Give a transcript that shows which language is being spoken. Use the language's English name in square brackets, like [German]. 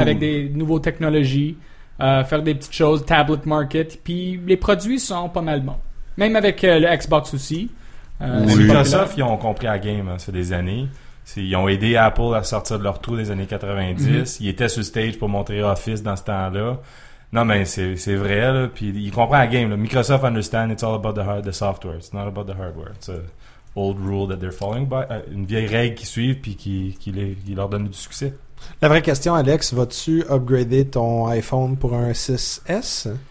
[French] avec des nouveaux technologies, faire des petites choses, tablet market. Puis les produits sont pas mal bons. Même avec le Xbox aussi. Microsoft, ils ont compris la game, hein, c'est des années. Ils ont aidé Apple à sortir de leur trou des années 90. Mm-hmm. Ils étaient sur stage pour montrer Office dans ce temps-là. Non, mais c'est vrai. Là. Puis, ils comprennent la game. Là. [English] Microsoft understand it's all about the software. It's not about the hardware. It's an old rule that they're following by. [French] Une vieille règle qu'ils suivent puis qui leur donne du succès. La vraie question, Alex, vas-tu upgrader ton iPhone pour un 6S?